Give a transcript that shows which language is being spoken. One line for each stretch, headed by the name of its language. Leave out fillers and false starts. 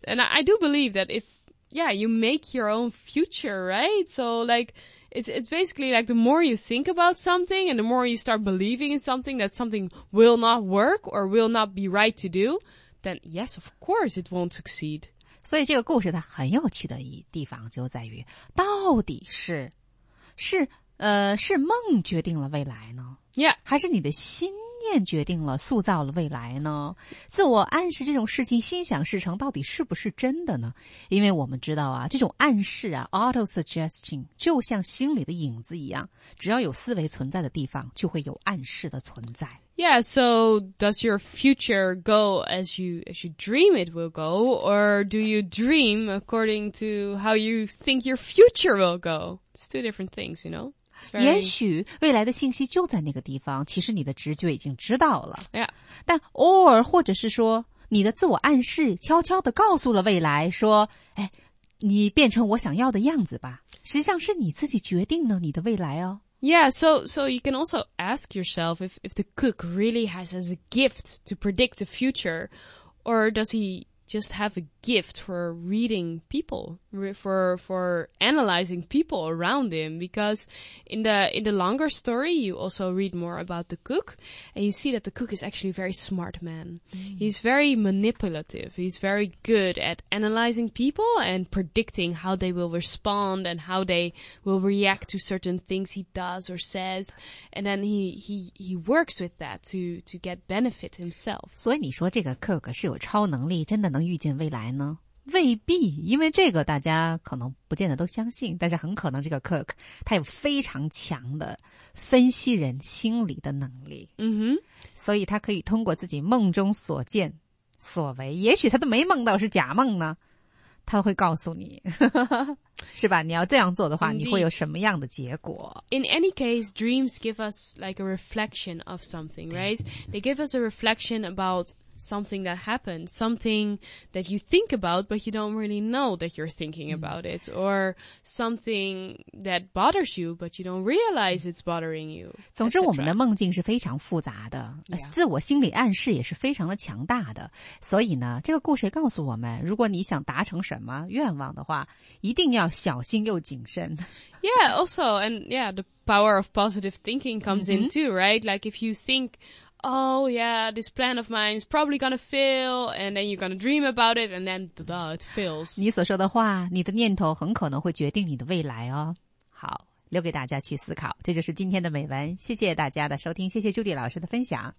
English: And I do believe that if, yeah, you make your own future, right? So like, it's basically like the more you think about something and the more you start believing in something that something will not work or will not be right to do, then yes, of course it won't succeed.
Chinese: 所以这个故事它很有趣的地方就在于到底是梦决定了未来呢、
English: yeah.
Chinese: 还是你的心念决定了塑造了未来呢自我暗示这种事情心想事成到底是不是真的呢因为我们知道啊这种暗示啊
English: auto-suggesting
Chinese: 就像心里的影子一样只要有思维存在的地方就会有暗示的存在。
English: Yeah, so does your future go as you dream it will go, or do you dream according to how you think your future will go? It's two different things, you know? Very...
Chinese: 也许未来的信息就在那个地方，其实你的直觉已经知道了。
English: Yeah.
Chinese: 但
English: or
Chinese: 或者是说你的自我暗示悄悄地告诉了未来说，哎，你变成我想要的样子吧。实际上是你自己决定了你的未来哦。
English: Yeah, so you can also ask yourself if the cook really has as a gift to predict the future, or does he just have a gift for reading people, for analyzing people around him? Because in the longer story, you also read more about the cook, and you see that the cook is actually a very smart man. Mm. He's very manipulative. He's very good at analyzing people and predicting how they will respond and how they will react to certain things he does or says. And then he works with that to get benefit himself.
Chinese: 所以你说这个 cook 是有超能力，真的能预见未来呢？未必，因为这个大家可能不见得都相信，但是很可能这个 cook 他有非常强的分析人心理的能力。嗯哼，所以他可以通过自己梦中所见所为，也许他都没梦到是假梦呢，他会告诉你，是吧？你要这样做的话，
English: Indeed.
Chinese: 你会有什么样的结果
English: ？In any case, dreams give us like a reflection of something, right? They give us a reflection about. Something that happened, something that you think about, but you don't really know that you're thinking about it, or something that bothers you, but you don't realize it's bothering you.
Chinese: 总之我们的梦境是非常复杂的、
English: yeah.
Chinese: 自我心理暗示也是非常的强大的。所以呢这个故事告诉我们如果你想达成什么愿望的话一定要小心又谨慎。
English: Yeah, also, and yeah, the power of positive thinking comes、mm-hmm. in too, right? Like if you think,Oh, yeah, this plan of mine is probably going to fail, and then you're going to dream about it, and then it fails.
Chinese: 你所说的话，你的念头很可能会决定你的未来哦。好，留给大家去思考，这就是今天的美文。谢谢大家的收听，谢谢朱迪老师的分享。